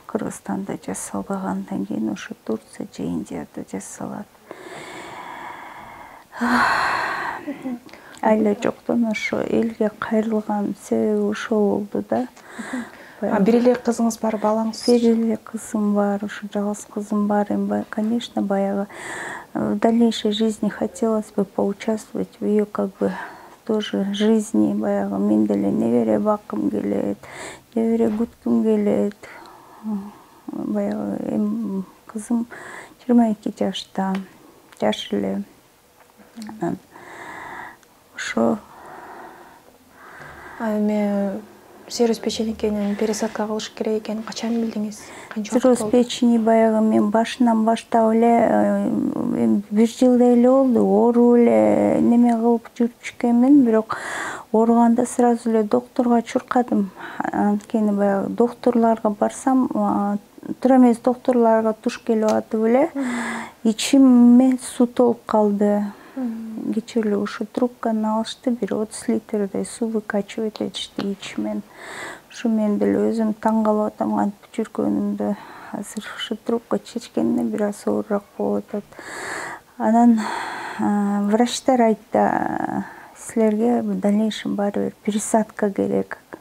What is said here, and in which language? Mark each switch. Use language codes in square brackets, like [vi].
[ky] Кыргызстанда жасалбагандан кийин ошо Турция же Индияда жасалат. Айла жоктон ошо элге кайрылган себеби ошо болду да. Бир эле кызыңыз бар, балаңыз? Бир эле кызым бар, ошо жалгыз кызым бар. [ru] Конечно, баягы в дальнейшей жизни хотелось бы поучаствовать в ее как бы тоже жизни, [ky] баягы мен деле небере баккым келет, небере күткүм келет. Баягы кызым 22 жашта, жаш эле. Анан ошо эми цирроз печенинин пересадка кылыш керек экенин качан билдиңиз? Цирроз печени баягы мен башынан баштап эле бир жылдай эле болду ооруп эле неме кылып жүрүп ишкенмин. Бирок ооруганда сразу эле докторго чуркадым. Анткени баягы докторлорго барсам туура эмес докторлорго туш келип атып эле ичиме суу толуп калды. Кечээ эле ушу трубканы алышты, бир 30 литрдей суу выкачивать этишти ичимен. Ушу мен деле өзүм таң калып атам, кантип жүргөнүмдү. Азыр ушу трубка чечкенине бир аз оорураак болуп атат. Анан врачтар айтты, силерге [ru] в дальнейшем [ky] баары бир пересадка керек.